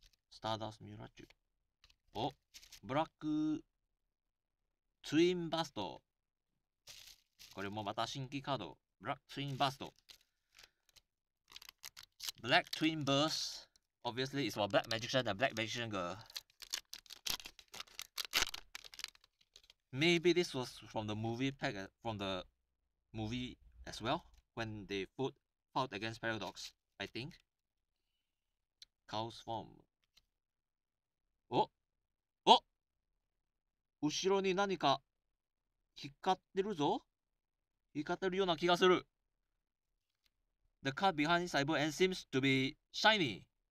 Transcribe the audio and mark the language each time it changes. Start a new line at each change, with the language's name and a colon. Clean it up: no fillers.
Japanese: スターダースミューラッチュ。お、ブラックツインバスト。これもまた新規カード。ブラックツインバスト。ブラックツインバース。
English: Obviously it's for black magician and black magician girl. Maybe this was from the movie pack, from the movie as well, when they fought against Paradox, I think. Chaos form.
Japanese: お、お、後ろに何か引っかってるぞ。引っかってるような気がする。
English: The card behind this cyber end seems to be shiny.